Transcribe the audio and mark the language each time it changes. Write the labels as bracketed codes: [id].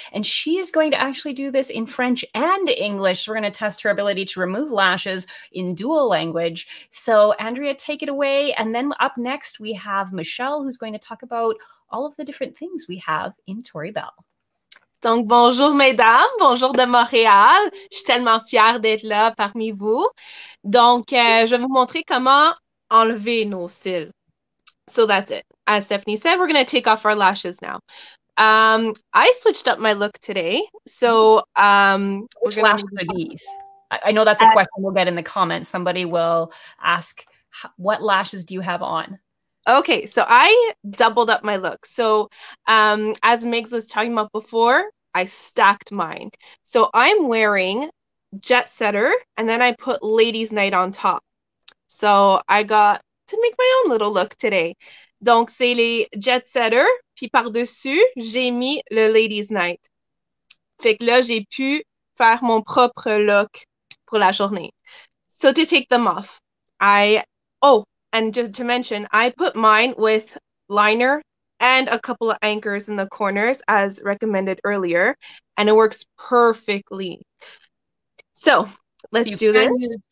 [en] And she is going to actually do this in French and English. So we're going to test her ability to remove lashes in dual language. So Andrea, take it away. And then up next, we have Michelle, who's going to talk about all of the different things we have in Tori Bell. [fr] Donc, bonjour, mesdames. Bonjour de Montréal. Je suis tellement fière d'être là parmi vous. Donc, je vais vous montrer comment enlever nos cils. [en] So that's it. As Stephanie said, we're going to take off our lashes now. I switched up my look today. So which lashes are these? I know that's a question we'll get in the comments. Somebody will ask, what lashes do you have on? Okay, so I doubled up my look. So as Migs was talking about before, I stacked mine. So I'm wearing Jet Setter, and then I put Ladies Night on top. So I got to make my own little look today. [fr] Donc, c'est les Jet Setter, puis par-dessus, j'ai mis le Ladies Night. Fait que là, j'ai pu faire mon propre look pour la journée. [en] So to take them off, and just to mention, I put mine with liner and a couple of anchors in the corners, as recommended earlier, and it works perfectly. So let's do this.